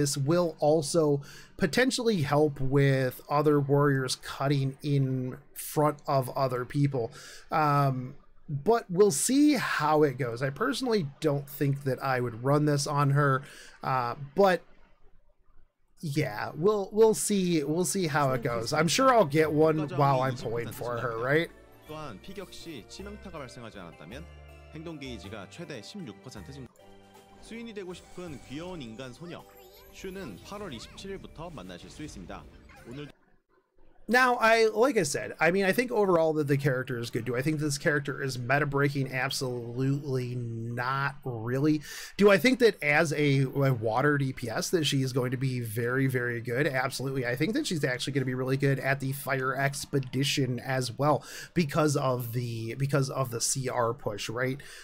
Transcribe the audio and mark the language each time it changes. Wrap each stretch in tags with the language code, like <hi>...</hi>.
<en>This will also potentially help with other warriors cutting in front of other people. But we'll see how it goes. I personally don't think that I would run this on her, but yeah, we'll see how it goes. I'm sure I'll get one while I'm pulling for her, right?</en> <ko>또한 피격 시 치명타가 발생하지 않았다면 행동 게이지가 최대 16% 증가. 수인이 되고 싶은 귀여운 인간 소녀 슈는 8월 27일부터 만나실 수 있습니다. 오늘</ko> <en>Now, I like I said, I mean, I think overall that the character is good. Do I think this character is meta breaking? Absolutely not really. Do I think that as a water DPS that she is going to be very, very good? Absolutely. I think that she's actually going to be really good at the Fire Expedition as well because of the CR push, right?</en>